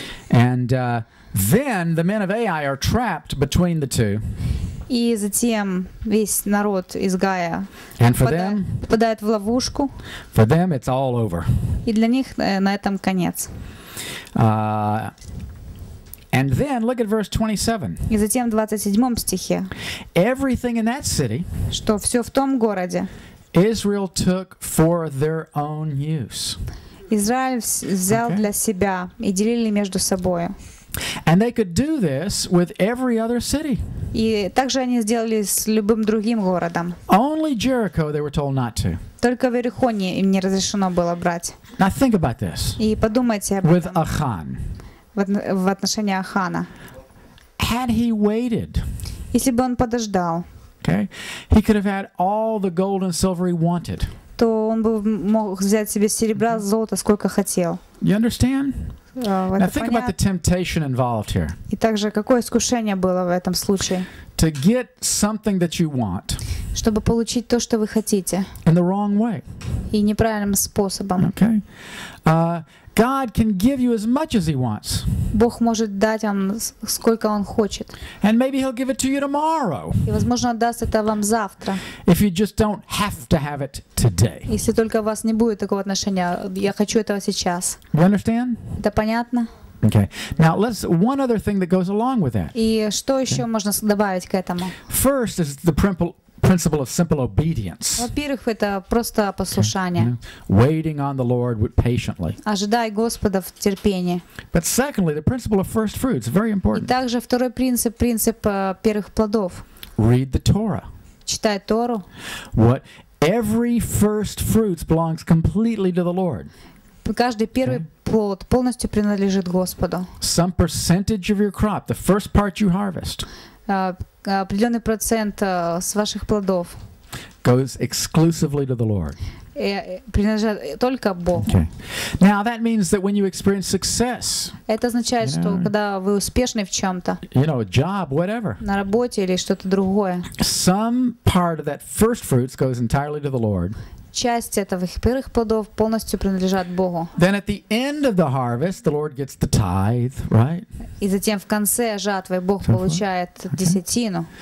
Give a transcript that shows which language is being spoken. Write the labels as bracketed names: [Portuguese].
[English] And then the men of Ai are trapped between the two. [Russian] И затем весь народ из Гая попадает в ловушку. [English] For them, it's all over. [Russian] И для них на этом конец. [English] And then look at verse 27. [Russian] И затем в 27 стихе. [English] Everything in that city. [Russian] Что все в том городе. [English] Israel took for their own use. [Russian] Израиль взял для себя и делили между собой. [English] And they could do this with every other city. [Russian] И также они сделали с любым другим городом. [English] Only Jericho they were told not to. [Russian] Только в Иерихоне им не разрешено было брать. [English] Now think about this. [Russian] И подумайте об этом. [English] With Ахан. [Russian] В отношении Ахана. [English] Had he waited. [Russian] Если бы он подождал. [English] Okay. He could have had all the gold and silver he wanted. [Russian] То он бы мог взять себе серебра, золота, сколько хотел. [English] You understand? Now think about the temptation involved here. [Russian] И также какое искушение было в этом случае? [English] To get something that you want. [Russian] Чтобы получить то, что вы хотите. [English] In the wrong way. [Russian] И неправильным способом. [English] Okay. God can give you as much as He wants. [Russian] Бог может дать вам сколько Он хочет. [English] And maybe He'll give it to you tomorrow. [Russian] И возможно даст это вам завтра. [English] If you just don't have to have it today. [Russian] Если только у вас не будет такого отношения, я хочу этого сейчас. [English] You understand? [Russian] Да, понятно. [English] Okay. Now let's one other thing that goes along with that. [Russian] И что еще можно добавить к этому? [English] First is the principle of simple obedience. [Russian] Во-первых, это просто послушание. [English] Waiting on the Lord patiently. [Russian] Ожидай Господа в терпении. [English] But secondly, the principle of first fruits, very important. [Russian] И также второй принцип первых плодов. [English] Read the Torah. [Russian] Читай Тору. [English] What every first fruits belongs completely to the Lord. [Russian] Каждый первый плод полностью принадлежит Господу. [English] Some percentage of your crop, the first part you harvest. [Russian] Определенный процент с ваших плодов [English] goes exclusively to the Lord. [Russian] Принадлежит только Богу. [English] Okay. Now that means that when you experience success, [Russian] это означает, что когда вы успешны в чем-то, [English] you know, job, whatever, [Russian] на работе или что-то другое, [English] some part of that first fruits goes entirely to the Lord. [Russian] Часть этих первых плодов полностью принадлежат Богу. [English] Then at the end of the harvest, the Lord gets the tithe, right? [Russian] И затем в конце жатвы Бог получает десятину.